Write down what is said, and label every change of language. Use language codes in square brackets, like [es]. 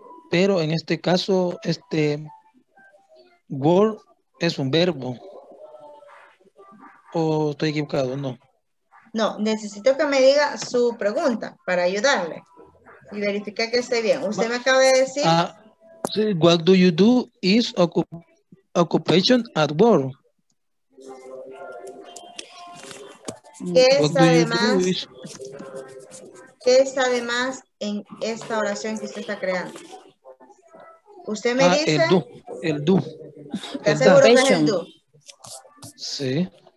[es] Pero en este caso, este word es un verbo. ¿O estoy equivocado? No. No, necesito que me diga su pregunta para ayudarle. Y verificar que esté bien. Usted me acaba de decir. [en] What do you do is occupation at work. [es] ¿Qué está además en esta oración que usted está creando? Usted me dice. El do. ¿Seguro que es el do? Sí.